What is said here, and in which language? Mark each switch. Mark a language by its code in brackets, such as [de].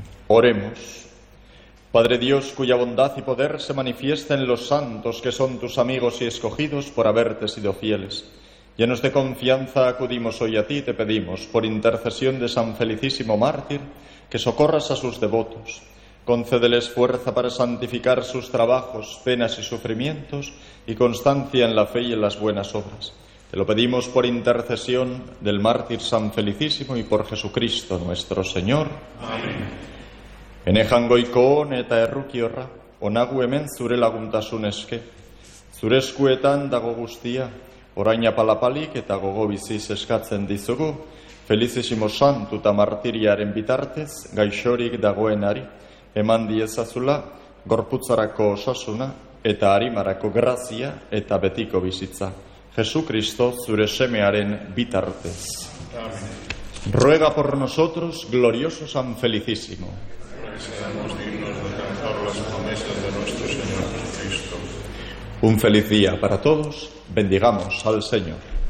[es] Oremos. Padre Dios, cuya bondad y poder se manifiesta en los santos que son tus amigos y escogidos por haberte sido fieles, llenos de confianza acudimos hoy a ti y te pedimos, por intercesión de San Felicísimo Mártir, que socorras a sus devotos. Concédeles fuerza para santificar sus trabajos, penas y sufrimientos y constancia en la fe y en las buenas obras. Te lo pedimos por intercesión del mártir San Felicísimo y por Jesucristo nuestro Señor. Amén. [eu] Enejan goikoon eta errukiorra, onagu hemen zure laguntasun eske. Zure eskuetan dago guztia, orain apalapalik eta gogo biziz eskatzen dizugu, Felicísimo Santu eta martiriaren bitartez gaixorik dagoenari, eman diezazula gorputzarako osasuna eta arimarako grazia eta betiko bizitza. Jesucristo zure semearen bitartez. Amen. [es] Ruega por nosotros, glorioso San Felicísimo. Seamos dignos de alcanzar las promesas de nuestro Señor Jesucristo. Un feliz día para todos. Bendigamos al Señor.